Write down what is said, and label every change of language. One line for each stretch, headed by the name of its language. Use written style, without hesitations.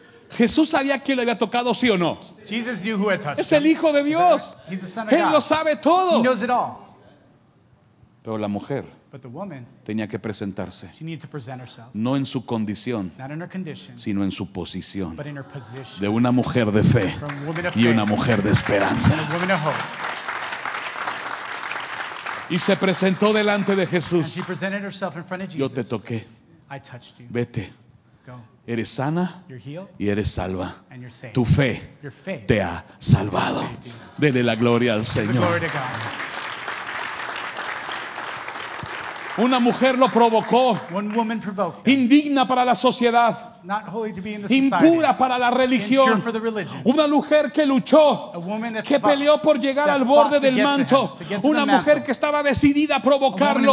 Spanish: Jesús sabía quién le había tocado, sí o no.
English: Jesus knew who had touched
Spanish: es el Hijo de Dios.
English: He's the Son of
Spanish: Él
English: God.
Spanish: Lo sabe todo.
English: He knows it all.
Spanish: Pero la mujer
English: But the woman,
Spanish: tenía que presentarse.
English: She needed to present herself.
Spanish: No en su condición,
English: not in her condition,
Spanish: sino en su posición.
English: But in her position.
Spanish: De una mujer de fe y una mujer de esperanza.
English: And a woman of hope.
Spanish: Y se presentó delante de Jesús.
English: And she presented herself in front of Jesus.
Spanish: Yo te toqué.
English: I touched you.
Spanish: Vete.
English: Go.
Spanish: Eres sana
English: you're healed,
Spanish: y eres salva.
English: And you're saved.
Spanish: Tu fe
English: Your faith
Spanish: te ha salvado. Dele la gloria al Señor.
English: The glory to God.
Spanish: Una mujer lo provocó.
English: One woman provoked them.
Spanish: Indigna para la sociedad.
English: Not holy to be in the society.
Spanish: Impura para la religión.
English: Impure for the religion.
Spanish: Una mujer que luchó.
English: A woman that
Spanish: que
English: fought,
Spanish: peleó por llegar al borde del manto.
English: To him, to
Spanish: una
English: mantle.
Spanish: Mujer que estaba decidida a provocarlo.